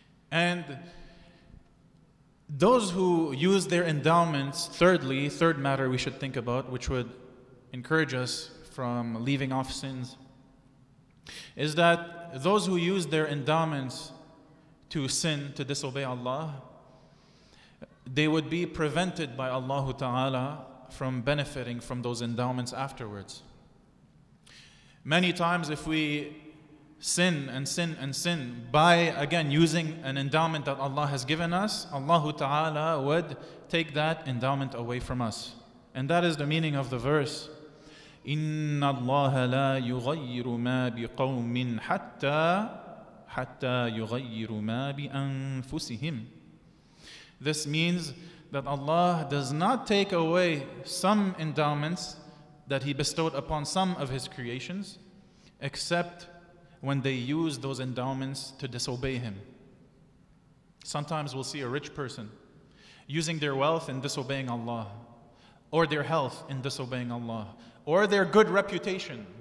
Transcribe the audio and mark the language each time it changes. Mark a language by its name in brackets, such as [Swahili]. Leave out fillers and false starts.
[English] And those who use their endowments, thirdly, third matter we should think about, which would encourage us from leaving off sins, is that those who use their endowments to sin, to disobey Allah, they would be prevented by Allah Ta'ala from benefiting from those endowments afterwards. Many times if we sin by, again, using an endowment that Allah has given us, Allah Ta'ala would take that endowment away from us. And that is the meaning of the verse, [Arabic] إِنَّ اللَّهَ لَا يُغَيِّرُ مَا بِقَوْمٍ حَتَّى يُغَيِّرُ مَا بِأَنفُسِهِمْ. [English] This means that Allah does not take away some endowments that He bestowed upon some of His creations, except when they use those endowments to disobey Him. Sometimes we'll see a rich person using their wealth in disobeying Allah, or their health in disobeying Allah, or their good reputation.